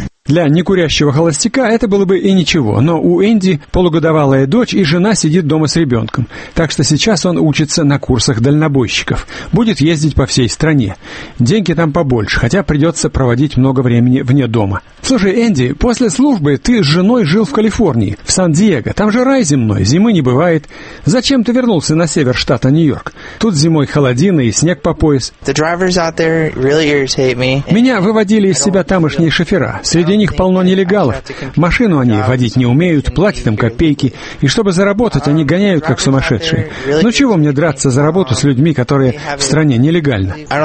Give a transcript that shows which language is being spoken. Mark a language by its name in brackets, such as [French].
[Russian] Для некурящего холостяка это было бы и ничего, но у Энди полугодовалая дочь и жена сидит дома с ребенком, так что сейчас он учится на курсах дальнобойщиков, будет ездить по всей стране. Деньги там побольше, хотя придется проводить много времени вне дома. Слушай, Энди, после службы ты с женой жил в Калифорнии, в Сан-Диего, там же рай земной, зимы не бывает. Зачем ты вернулся на север штата Нью-Йорк? Тут зимой холодина и снег по пояс. [English] The drivers out there really irritate me. [Russian] Меня выводили из себя тамошние шофера. Среди них полно нелегалов. Машину они водить не умеют, платят им копейки. И чтобы заработать, они гоняют, как сумасшедшие. Ну чего мне драться за работу с людьми, которые в стране нелегально?